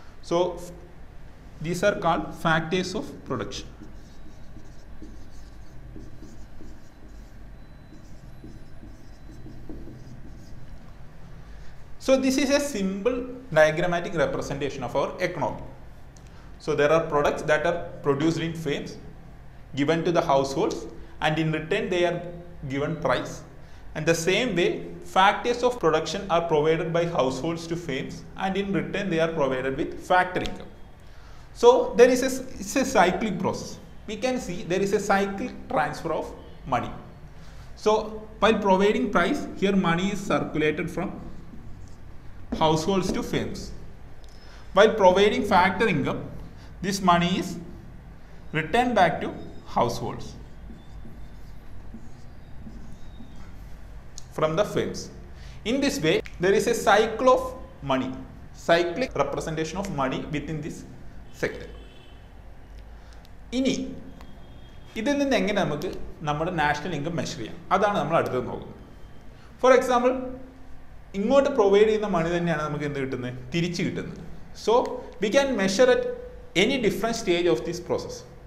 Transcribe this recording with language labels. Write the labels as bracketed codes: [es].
[en] So these are called factors of production. So this is a simple diagrammatic representation of our economy. So there are products that are produced in firms, given to the households, and in return they are given price. And the same way, factors of production are provided by households to firms, and in return they are provided with factor income. So there is a cyclic process. We can see there is a cyclic transfer of money. So while providing price, here money is circulated from households to firms. While providing factor income, this money is returned back to households from the firms. In this way, there is a cycle of money, cyclic representation of money within this sector. [ml] Ini ഇതിൽ നിന്ന് എങ്ങനെ നമുക്ക് നമ്മുടെ national income measure ചെയ്യാം, അതാണ് നമ്മൾ അടുത്തത് നോക്കുന്നത്. ഫോർ എക്സാമ്പിൾ, ഇങ്ങോട്ട് പ്രൊവൈഡ് ചെയ്യുന്ന മണി തന്നെയാണ് നമുക്ക് എന്ത് കിട്ടുന്നത്, തിരിച്ച് കിട്ടുന്നത്. [en] So we can measure at any different stage of this process.